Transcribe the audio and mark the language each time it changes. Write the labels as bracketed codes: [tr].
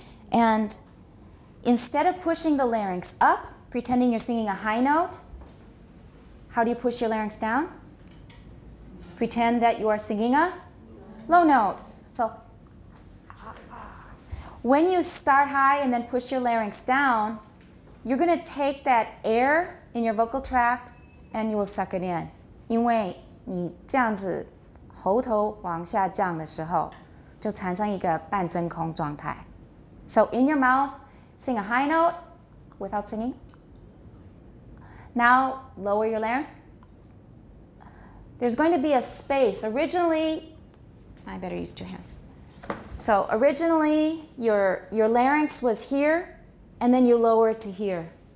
[en] And instead of pushing the larynx up, pretending you're singing a high note, how do you push your larynx down? Pretend that you are singing a low note. So when you start high and then push your larynx down, you're going to take that air in your vocal tract and you will suck it in. [zh] 因为你这样子喉头往下降的时候就产生一个半真空状态。 [en] So in your mouth, sing a high note without singing. Now lower your larynx. There's going to be a space. Originally, I better use two hands. So originally your larynx was here and then you lower it to here.